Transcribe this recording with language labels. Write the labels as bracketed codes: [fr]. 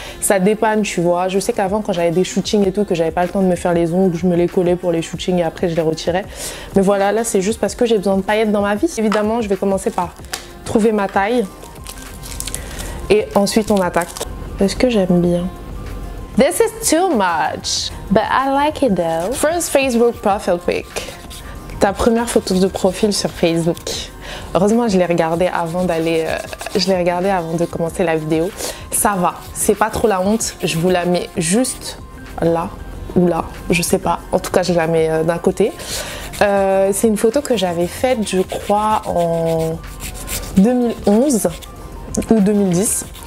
[fr] Ça dépanne, tu vois. Je sais qu'avant, quand j'avais des shootings et tout, que j'avais pas le temps de me faire les ongles, je me les collais pour les shootings et après je les retirais. Mais voilà, là c'est juste parce que j'ai besoin de paillettes dans ma vie. Évidemment, je vais commencer par trouver ma taille et ensuite on attaque. Est-ce que j'aime bien? [en] This is too much, but I like it though. First Facebook profile pic. [fr] Ta première photo de profil sur Facebook. Heureusement, je l'ai regardée avant d'aller, avant de commencer la vidéo. Ça va, c'est pas trop la honte. Je vous la mets juste là ou là, je sais pas. En tout cas, je la mets d'un côté. C'est une photo que j'avais faite, je crois, en 2011 ou 2010.